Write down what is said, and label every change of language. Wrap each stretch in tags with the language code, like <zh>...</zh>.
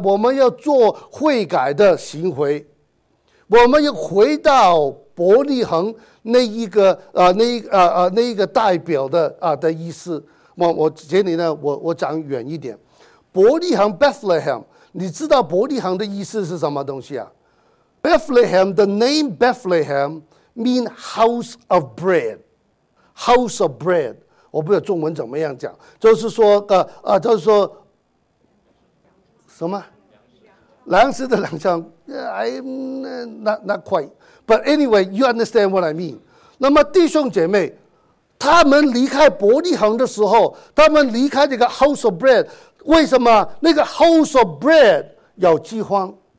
<zh>我们要做悔改的行为，我们要回到伯利恒那一个那一个代表的的意思。我这里呢，我讲远一点，伯利恒 Bethlehem。你知道伯利恒的意思是什么东西啊？</zh> <en>Bethlehem, the name Bethlehem means house of bread. House of bread.</en> <zh>我不知道中文怎么样讲。就是说就是说什么粮食的粮仓。</zh> <en>I'm not quite. But anyway, you understand what I mean.</en> <zh>那么弟兄姐妹，他们离开伯利恒的时候，他们离开这个</zh> <en>house of bread,</en> <zh>为什么那个 house of bread 有饥荒？</zh>